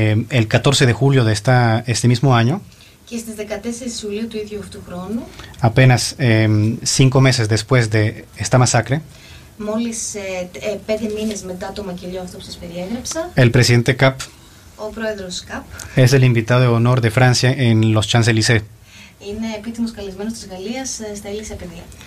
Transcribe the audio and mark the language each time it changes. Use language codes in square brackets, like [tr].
[es] El 14 de julio de este mismo año. [el] Και στις 14 Ιουλίου του ίδιου αυτού χρόνου. [es] Apenas 5 meses después de esta masacre. [el] Μόλις 5 μήνες μετά το μακελιό αυτό που σας περιέγραψα. [es] El presidente CAP. [el] Ο πρόεδρος CAP. [es] Es el invitado de honor de Francia en los Champs-Élysées. [el] Είναι επίτιμος καλεσμένος της Γαλλίας στα Ηλίσια παιδεία.